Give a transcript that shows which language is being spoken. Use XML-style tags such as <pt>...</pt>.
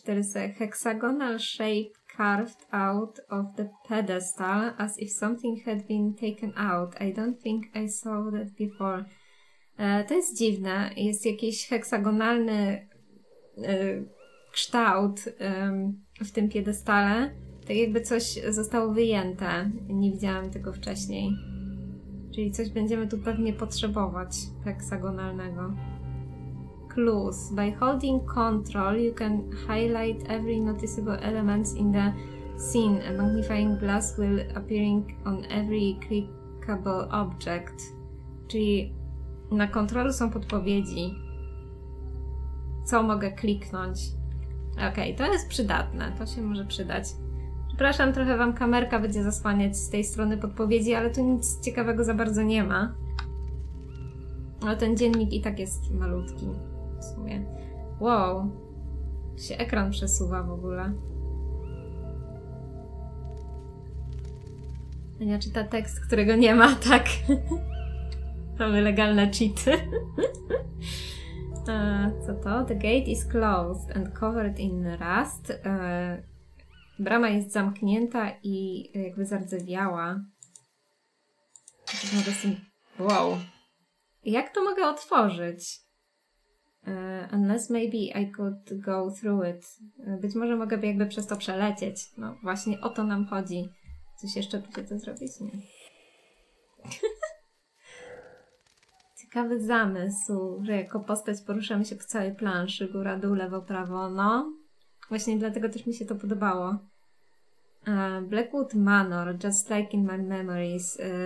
<en>There is a hexagonal shape carved out of the pedestal as if something had been taken out. I don't think I saw that before.</en> <pl>To jest dziwne. Jest jakiś heksagonalny kształt w tym piedestale. Tak jakby coś zostało wyjęte. Nie widziałam tego wcześniej. Czyli coś będziemy tu pewnie potrzebować heksagonalnego.</pl> <en>Clues. By holding control, you can highlight every noticeable element in the scene. A magnifying glass will appearing on every clickable object.</en> <pl>Czyli na kontrolu są podpowiedzi. Co mogę kliknąć? Okej, to jest przydatne. To się może przydać. Przepraszam, trochę wam kamerka będzie zasłaniać z tej strony podpowiedzi, ale tu nic ciekawego za bardzo nie ma. No ten dziennik i tak jest malutki. W sumie. Wow. Się ekran przesuwa w ogóle. Ania czyta tekst, którego nie ma, tak. Mamy legalne cheaty. co to?</pl> <en>The gate is closed and covered in rust.</en> <pl>Brama jest zamknięta i jakby zardzewiała. Wow. Jak to mogę otworzyć?</pl> <en>Unless maybe I could go through it.</en> <pl>Być może mogę jakby przez to przelecieć. No właśnie o to nam chodzi. Coś jeszcze by się to zrobić? Nie. Ciekawy zamysł, że jako postać poruszamy się po całej planszy. Góra, dół, lewo, prawo. No. Właśnie dlatego też mi się to podobało.</pl> <en>Blackwood Manor, just like in my memories.</en>